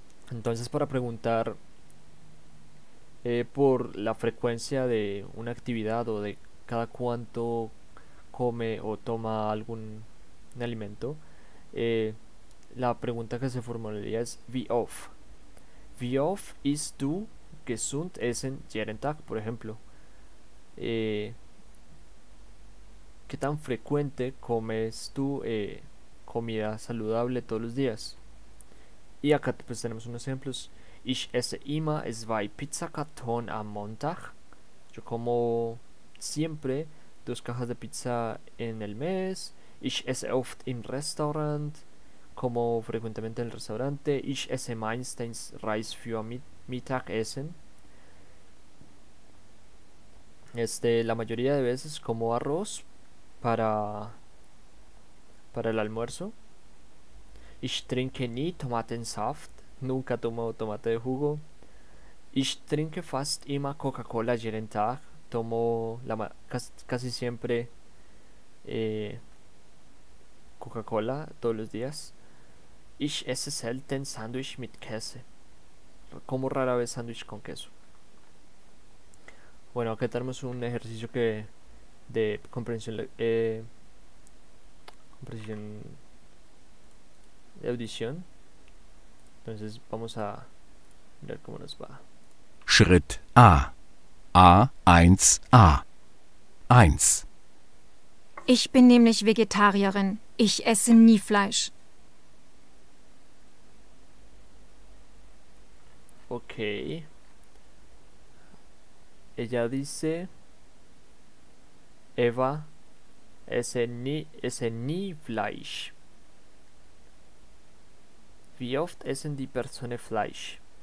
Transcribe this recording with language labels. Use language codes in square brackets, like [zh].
[es] Entonces, para preguntar por la frecuencia de una actividad o de cada cuánto come o toma algún alimento, la pregunta que se formularía es: [de] Wie oft isst du gesund essen jeden Tag, [es] por ejemplo? ¿Qué tan frecuente comes tú comida saludable todos los días? Y acá pues tenemos unos ejemplos. [de] Ich esse immer zwei Pizzakarton am Montag. [es] Yo como siempre dos cajas de pizza en el mes. [de] Ich esse oft im Restaurant. [es] Como frecuentemente en el restaurante. [de] Ich esse meistens Reis für Mittagessen. [es] La mayoría de veces como arroz para el almuerzo. [de] Ich trinke nie Tomatensaft. [es] Nunca tomo tomate de jugo. [de] Ich trinke fast immer Coca-Cola jeden Tag. [es] Tomo casi siempre Coca-Cola todos los días. [de] Ich esse selten Sandwich mit Käse. [es] Como rara vez sándwich con queso. Bueno, acá tenemos un ejercicio que de comprensión de audición. Entonces vamos a ver cómo nos va. [de] Schritt A. A1 A. 1. Ich bin nämlich Vegetarierin. Ich esse nie Fleisch. Okay. [es] Ella dice: Eva, ese ni Fleisch. [de] Wie oft essen die Personen Fleisch?